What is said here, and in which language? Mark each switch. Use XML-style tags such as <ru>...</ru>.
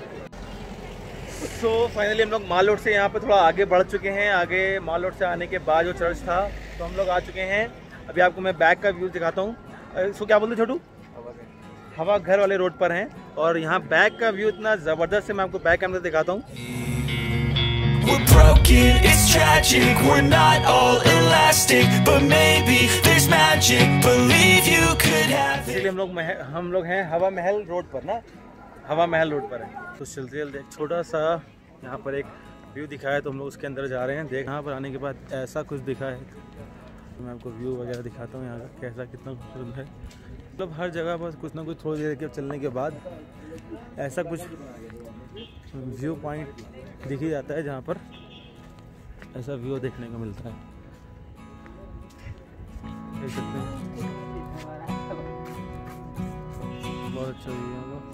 <hi>So finally हम लोग माल road से यहाँ पे थोड़ा आगे बढ़ चुके हैं, आगे माल रोड से आने के बाद जो चर्च था, तो हम लोग आ चुके हैं। अभी आपको मैं बैक का व्यू दिखाता हूँ। सो क्या बोलते छोटू, हवा घर वाले रोड पर हैं, और यहाँ बैक का व्यू इतना ज़बरदस्त है, मैं आपको बैक कैमरे दिखाता हूँ।</hi> <en>We're broken, it's tragic, we're not all elastic, but maybe there's magic, believe you could have it.</en> <hi>हम लोग हैं हवा महल रोड पर ना, हवा महल रोड पर है। तो चलते छोटा सा यहाँ पर एक व्यू दिखा है, तो हम लोग उसके अंदर जा रहे हैं। देख यहाँ पर आने के बाद ऐसा कुछ दिखा है, तो मैं आपको व्यू वगैरह दिखाता हूँ यहाँ का कैसा कितना खूबसूरत है। मतलब हर जगह पर कुछ ना कुछ थोड़ी देर के चलने के बाद ऐसा कुछ व्यू पॉइंट दिख ही जाता है, जहाँ पर ऐसा व्यू देखने को मिलता है, देख सकते हैं बहुत अच्छा व्यू है।</hi>